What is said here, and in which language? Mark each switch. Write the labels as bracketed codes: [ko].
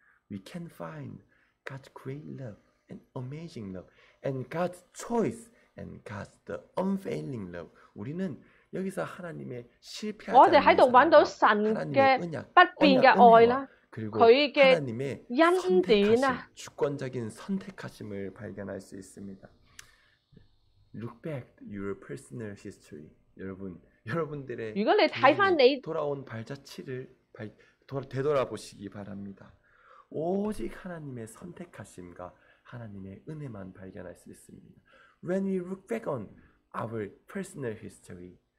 [en] We can find God's great love and amazing love and God's choice and God's the unfailing love. [ko] 우리는 여기서 하나님의 실패하지 않는 사람과 그리고 하나님의 선택하심, 주권적인 선택하심을 발견할 수 있습니다. Look back your personal history. 여러분, 여러분들의 돌아온 발자취를 되돌아보시기 바랍니다. 오직 하나님의 선택하심과 하나님의 은혜만 발견할 수 있습니다. [en] When we look back on our personal history,